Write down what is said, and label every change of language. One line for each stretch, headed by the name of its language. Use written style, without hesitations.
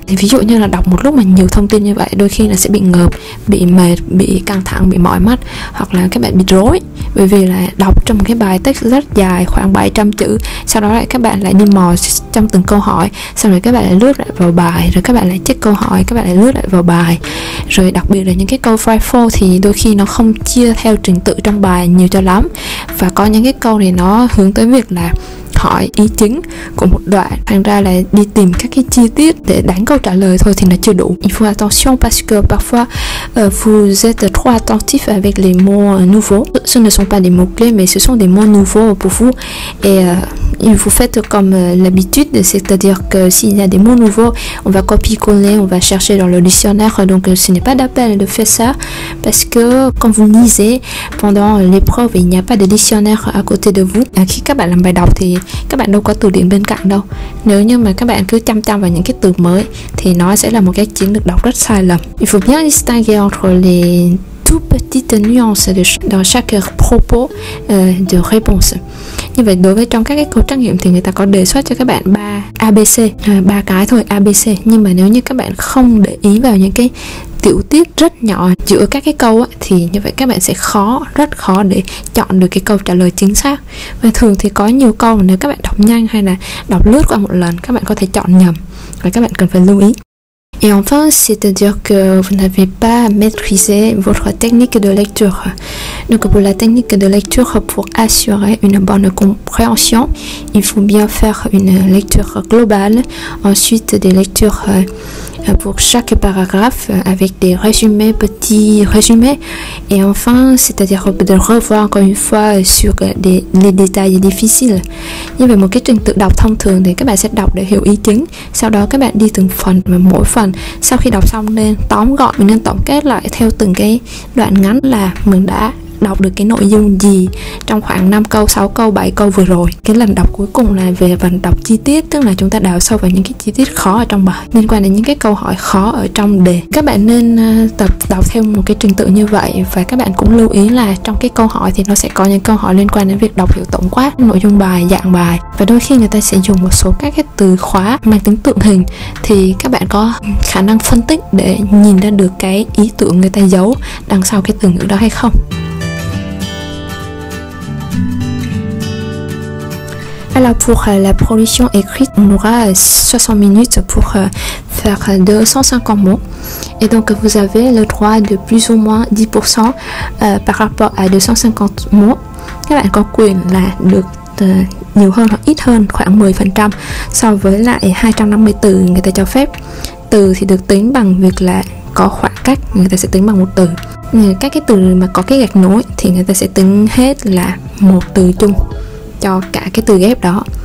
Vietnamese: Thì ví dụ như là đọc một lúc mà nhiều thông tin như vậy, đôi khi là sẽ bị ngợp, bị mệt, bị căng thẳng, bị mỏi mắt, hoặc là các bạn bị rối bởi vì là đọc trong một cái bài text rất dài khoảng 700 chữ, sau đó lại các bạn lại đi mò trong từng câu hỏi, xong rồi các bạn lại lướt lại vào bài, rồi các bạn lại check câu hỏi, các bạn lại lướt lại vào bài. Rồi đặc biệt là những cái câu phrase for thì đôi khi nó không chia theo trình tự trong bài nhiều cho lắm, và có những cái câu thì nó hướng tới việc là hỏi ý chính của một đoạn, thành ra là đi tìm các cái chi tiết để đánh câu trả lời thôi thì nó chưa đủ.
French: Il faut attention parce que parfois vous êtes trop attentif avec les mots nouveaux. Ce ne sont pas des mots clés mais ce sont des mots nouveaux pour vous et vous faites comme l'habitude, c'est-à-dire que s'il y a des mots nouveaux, on va copier-coller, on va chercher dans le dictionnaire, donc ce n'est pas d'appel de faire ça parce que quand vous lisez pendant l'épreuve, il n'y a pas de dictionnaire à côté de vous.
Vietnamese: Khi các bạn làm bài đọc thì các bạn đâu có từ điển bên cạnh đâu. Nếu như mà các bạn cứ chăm chăm vào những cái từ mới thì nó sẽ là một cái chiến lược đọc rất sai lầm.
French: Il faut bien distinguer entre les toutes petites nuances dans chaque propos de réponse.
Vietnamese: Như vậy đối với trong các cái câu trắc nghiệm thì người ta có đề xuất cho các bạn ba ABC, ba cái thôi, ABC. Nhưng mà nếu như các bạn không để ý vào những cái tiểu tiết rất nhỏ giữa các cái câu á, thì như vậy các bạn sẽ khó, rất khó để chọn được cái câu trả lời chính xác. Và thường thì có nhiều câu mà nếu các bạn đọc nhanh hay là đọc lướt qua một lần, các bạn có thể chọn nhầm. Và các bạn cần phải lưu ý.
French: Et enfin, c'est-à-dire que vous n'avez pas maîtrisé votre technique de lecture. Donc pour la technique de lecture, pour assurer une bonne compréhension, il faut bien faire une lecture globale, ensuite des lectures pour chaque paragraphe avec des résumés, petits résumés. Et enfin, c'est-à-dire de revoir encore une fois sur les détails difficiles.
Vietnamese: Như vậy, một cái trình tự đọc thông thường thì các bạn sẽ đọc để hiểu ý chính. Sau đó các bạn đi từng phần và mỗi phần. Sau khi đọc xong nên tóm gọn, mình nên tổng kết lại theo từng cái đoạn ngắn là mình đã đọc được cái nội dung gì trong khoảng 5 câu, 6 câu, 7 câu vừa rồi. Cái lần đọc cuối cùng là về phần đọc chi tiết, tức là chúng ta đào sâu vào những cái chi tiết khó ở trong bài, liên quan đến những cái câu hỏi khó ở trong đề. Các bạn nên tập đọc theo một cái trình tự như vậy. Và các bạn cũng lưu ý là trong cái câu hỏi thì nó sẽ có những câu hỏi liên quan đến việc đọc hiểu tổng quát nội dung bài, dạng bài. Và đôi khi người ta sẽ dùng một số các cái từ khóa mang tính tượng hình, thì các bạn có khả năng phân tích để nhìn ra được cái ý tưởng người ta giấu đằng sau cái từ ngữ đó hay không.
French: Alors pour la production écrite, on aura 60 minutes pour faire 250 mots. Et donc vous avez le droit de plus ou moins 10% par rapport à 250 mots.
Vietnamese: Các bạn có quyền là được nhiều hơn hoặc ít hơn khoảng 10% so với lại 250 từ người ta cho phép. Từ thì được tính bằng việc là có khoảng cách, người ta sẽ tính bằng một từ. Các cái từ mà có cái gạch nối thì người ta sẽ tính hết là một từ chung cho cả cái từ ghép đó.